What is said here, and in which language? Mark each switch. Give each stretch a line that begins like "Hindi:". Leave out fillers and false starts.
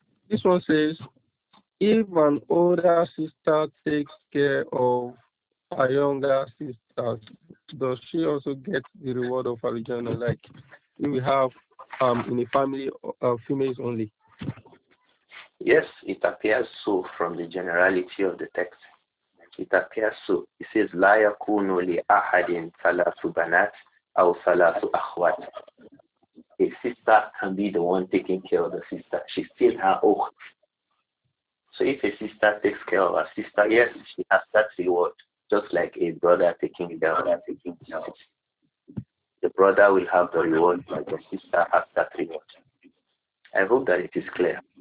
English: This one says, if an older sister takes care of a younger sister, does she also get the reward of religion, like we have in a family of females only? Yes, it appears so from the generality of the text. It appears so. It says,
Arabic: لا يكون لأحد ثلاث بنات أو ثلاث أخوات.
English: A sister can be the one taking care of the sister. She's still her ukht. So if a sister takes care of her sister, yes, she has that reward, just like a brother taking care of her sister. The brother will have the reward, but the sister has that reward. I hope that it is clear.